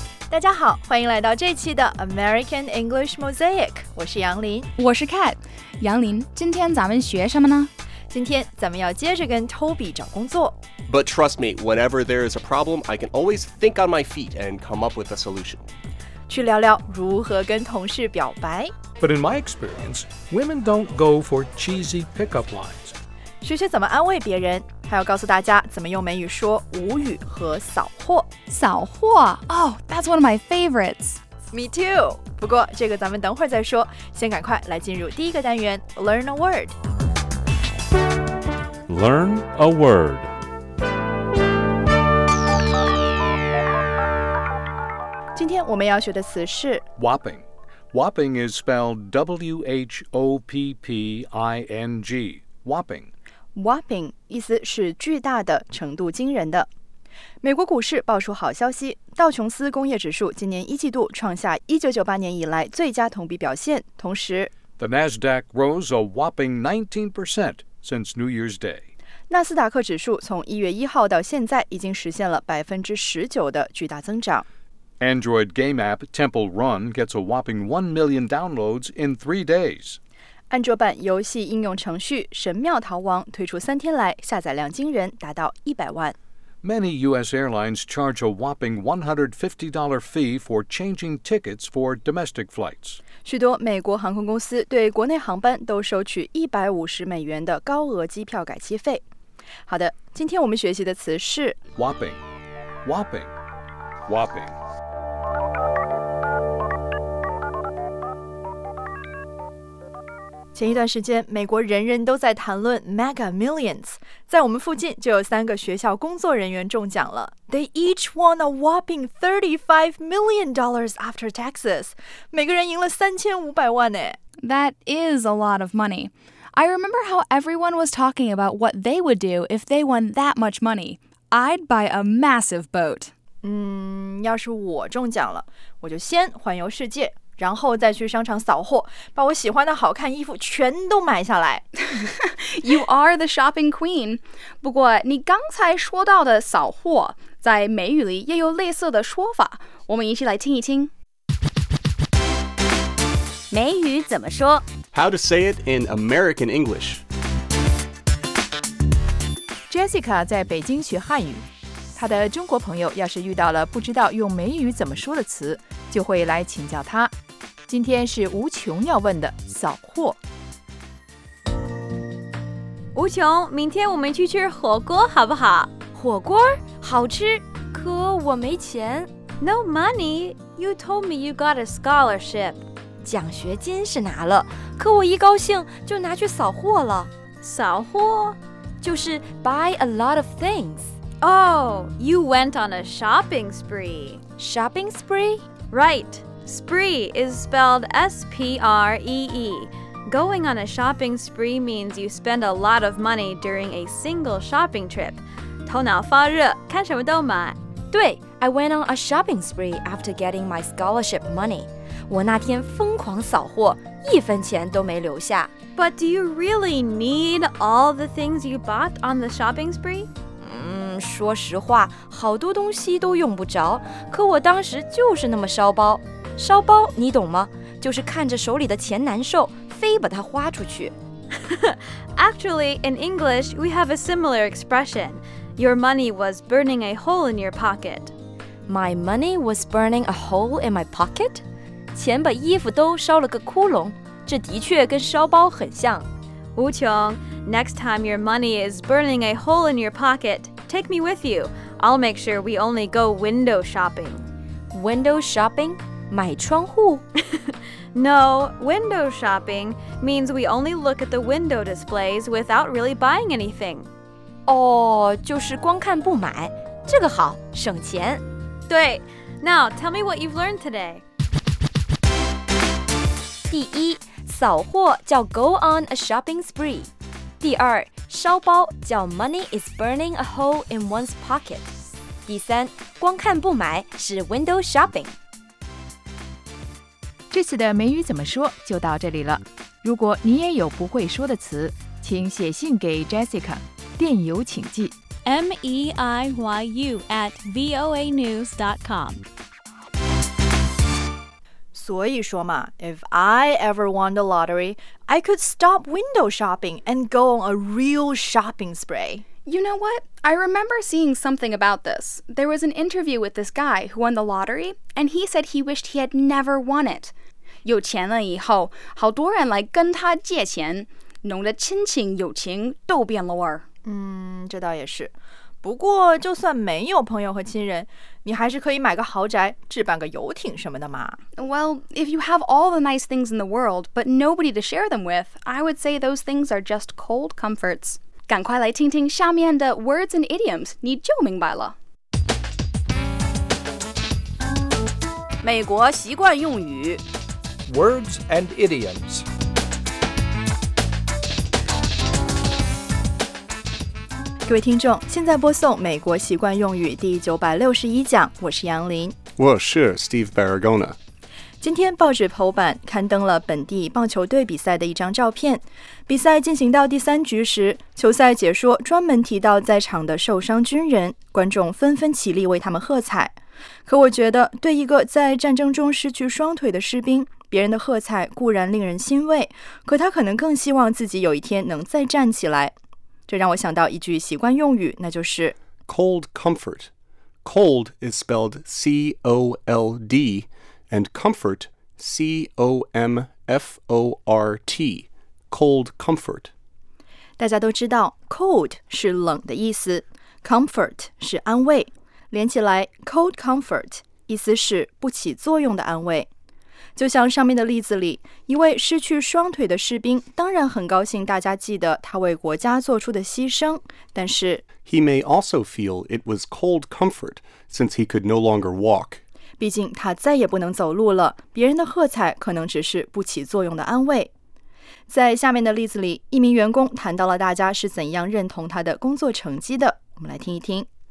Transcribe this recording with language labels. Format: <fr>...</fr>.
<zh>大家好，欢迎来到这期的 American English Mosaic， 我是杨林，我是 Kat。杨林，今天咱们学什么呢？今天咱们要接着跟 Toby 找工作。</zh> <en>But trust me, whenever there is a problem, I can always think on my feet and come up with a solution.</en> <zh>去聊聊如何跟同事表白。</zh> <en>But in my experience, women don't go for cheesy pickup lines.</en> <zh>学学怎么安慰别人，还要告诉大家怎么用美语说无语和扫货。扫货？</zh> <en>Oh, that's one of my favorites. Me too.</en> <zh>不过这个咱们等会儿再说，先赶快来进入第一个单元</zh> <en>Learn a word. Learn a word. Today, we're going to learn the word whopping. Whopping is spelled W-H-O-P-P-I-N-G. Whopping.</en> <zh>Whopping 意思是巨大的，程度惊人的。美国股市爆出好消息，道琼斯工业指数今年一季度创下1998年以来最佳同比表现，同时</zh> <en>The Nasdaq rose a whopping 19% since New Year's Day.</en> <zh>纳斯达克指数从1月1号到现在已经实现了 19% 的巨大增长。</zh> <en>Android game app Temple Run gets a whopping 1 million downloads in 3 days. 安卓版游戏应用程序《神庙逃亡》推出3天来，下载量惊人，达到100万。 Many U.S. airlines charge a whopping $150 fee for changing tickets for domestic flights.</en> <zh>许多美国航空公司对国内航班都收取150美元的高额机票改期费。好的，今天我们学习的词是</zh> <en>whopping, whopping, whopping.</en> <zh>前一段时间，美国人人都在谈论 Mega Millions， 在我们附近就有三个学校工作人员中奖了。</zh> <en>They each won a whopping $35 million after taxes.</en> <zh>每个人赢了3500万呢。</zh> <en>That is a lot of money. I remember how everyone was talking about what they would do if they won that much money. I'd buy a massive boat.</en> <zh>要是我中奖了，我就先环游世界。然后再去商场扫货，把我喜欢的好看衣服全都买下来。</zh> <en>You are the shopping queen.</en> <zh>不过你刚才说到的扫货，在美语里也有类似的说法，我们一起来听一听。美语怎么说？</zh> <en>How to say it in American English.</en> <zh>Jessica 在北京学汉语，她的中国朋友要是遇到了不知道用美语怎么说的词，就会来请教她。今天是吴琼要问的扫货。吴琼，明天我们去吃火锅好不好？火锅好吃，可我没钱。</zh> <en>No money. You told me you got a scholarship.</en> <zh>奖学金是拿了，可我一高兴就拿去扫货了。扫货就是</zh> <en>buy a lot of things. Oh, you went on a shopping spree. Shopping spree? Right. Spree is spelled S-P-R-E-E. Going on a shopping spree means you spend a lot of money during a single shopping trip.</en> <zh>头脑发热，看什么都买。对，</zh> <en>I went on a shopping spree after getting my scholarship money.</en> <zh>我那天疯狂扫货，一分钱都没留下。</zh> <en>But do you really need all the things you bought on the shopping spree?</en> <zh>说实话，好多东西都用不着，可我当时就是那么烧包。烧包你懂吗？就是看着手里的钱难受，非把它花出去。</zh> <en>Actually, in English, we have a similar expression. Your money was burning a hole in your pocket. My money was burning a hole in my pocket?</en> <zh>钱把衣服都烧了个窟窿，这的确跟烧包很像。</zh> <en>吴琼， next time your money is burning a hole in your pocket, take me with you. I'll make sure we only go window shopping. Window shopping?</en> <zh>买窗户</zh> <en>No, window shopping means we only look at the window displays without really buying anything.</en> <zh>哦，就是光看不买，这个好，省钱。对，</zh> <en>now tell me what you've learned today.</en> <zh>第一，扫货叫</zh> <en>go on a shopping spree.</en> <zh>第二，烧包叫</zh> <en>money is burning a hole in one's pocket.</en> <zh>第三，光看不买是 window shopping. 这次的美语怎么说就到这里了。如果你也有不会说的词，请写信给 Jessica， 电邮请寄</zh> <en>meiyu@voanews.com。</en> <zh>所以说嘛</zh> <en>If I ever won the lottery, I could stop window shopping and go on a real shopping spree. You know what? I remember seeing something about this. There was an interview with this guy who won the lottery, and he said he wished he had never won it.</en> <zh>有钱了以后，好多人来跟他借钱，弄得亲情友情都变了味儿。嗯，这倒也是。不过，就算没有朋友和亲人，你还是可以买个豪宅，置办个游艇什么的嘛。</zh> <en>Well, if you have all the nice things in the world, but nobody to share them with, I would say those things are just cold comforts.</en> <zh>赶快来听听下面的</zh> <en>words and idioms,</en> <zh>你就明白了。美国习惯用语</zh> <en>Words and idioms.</en> <zh>各位听众，现在播送美国习惯用语第961讲，我是杨林。我是 Steve Barragona。今天报纸头版刊登了本地棒球队比赛的一张照片。比赛进行到第三局时，球赛解说专门提到在场的受伤军人，观众纷纷起立为他们喝彩。可我觉得，对一个在战争中失去双腿的士兵，别人的喝彩固然令人欣慰，可他可能更希望自己有一天能再站起来。这让我想到一句习惯用语，那就是</zh> <en>Cold comfort. Cold is spelled C-O-L-D and comfort C-O-M-F-O-R-T. Cold comfort.</en> <zh>大家都知道 cold 是冷的意思 comfort 是安慰连起来 cold comfort 意思是不起作用的安慰。就像上面的例子里，一位失去双腿的士兵当然很高兴大家记得他为国家做出的牺牲，但是</zh> <en>He may also feel it was cold comfort since he could no longer walk.</en> <zh>毕竟他再也不能走路了，别人的喝彩可能只是不起作用的安慰。在下面的例子里，一名员工谈到了大家是怎样认同他的工作成绩的，我们来听一听。</zh>